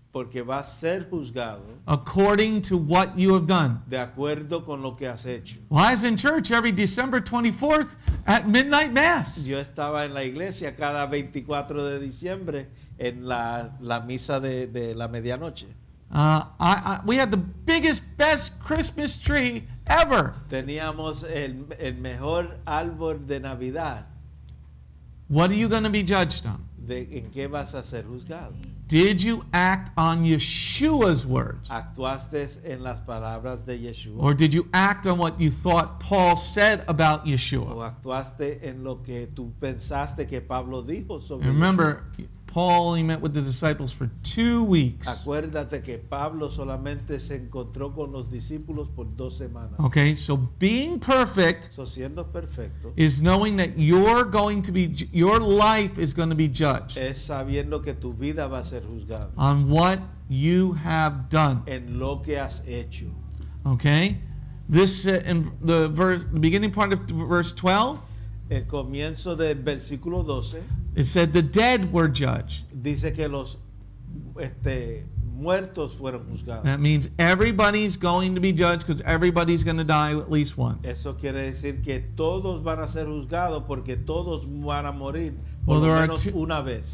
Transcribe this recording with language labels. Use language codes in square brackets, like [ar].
[es] Porque vas a ser juzgado. [en] According to what you have done. [es] De acuerdo con lo que has hecho. [en] Well, I was in church every December 24th at midnight mass. [es] Yo estaba en la iglesia cada 24 de diciembre en la misa de la medianoche. [en] We had the biggest, best Christmas tree ever. [es] Teníamos el mejor árbol de Navidad. [en] What are you going to be judged on? [es] ¿En qué vas a ser juzgado? [en] Did you act on Yeshua's words? [es] ¿Actuaste en las palabras de Yeshua? [en] Or did you act on what you thought Paul said about Yeshua? [es] ¿O actuaste en lo que tú pensaste que Pablo dijo sobre [en] Remember, [es] Yeshua? [en] Paul only met with the disciples for 2 weeks. [es] Acuérdate que Pablo solamente se encontró con los discípulos por 2 semanas. [en] Okay, so being perfect [es] siendo perfecto, [en] is knowing that you're going to be, your life is going to be judged. [es] Es sabiendo que tu vida va a ser juzgada. [en] On what you have done. [es] En lo que has hecho. [en] Okay, this in the verse, the beginning part of verse 12. [es] El comienzo del versículo 12. [en] It said the dead were judged. [es] Dice que los muertos fueron juzgados. [en] That means everybody's going to be judged because everybody's going to die at least once. [es] Eso quiere decir que todos van a ser juzgados porque todos van a morir una vez.